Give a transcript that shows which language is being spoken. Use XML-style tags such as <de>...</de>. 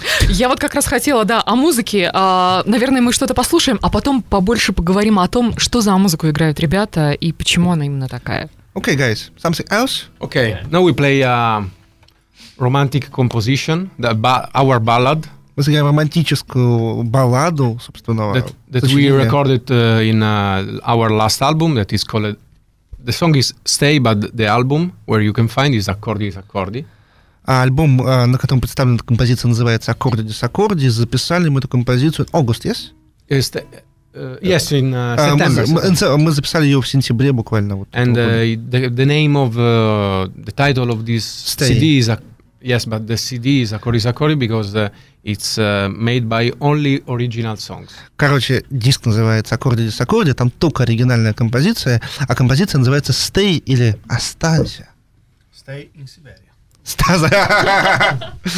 <ru>Я вот как раз хотела, да, о музыке. Наверное, мы что-то послушаем, а потом побольше поговорим о том, что за музыку играют ребята и почему она именно такая.</ru> <en>Okay, guys. Something else? Okay. Now we play romantic composition, our ballad.</en> <ru>Мы сыграем романтическую балладу, собственно,</ru> <en>that we recorded in our last album, that is called... The song is Stay, but the album, where you can find, is Accordi is Accordi.</en> <ru>Альбом, на котором представлена композиция, называется Accordi is Accordi. Записали мы эту композицию в август,</ru> <en>yes? Yes, in September.</en> <ru>Мы записали ее в сентябре буквально.</ru> <en>And the name of... the title of this CD is... Yes, but the CD is Akori Zakori because it's made by only original songs.</en> <ru>Короче, диск называется Акорди Сакорди, там только оригинальная композиция, а композиция называется Stay или Останься.</ru> <en>Stay in Siberia.</en> <ru>Стаза.</ru>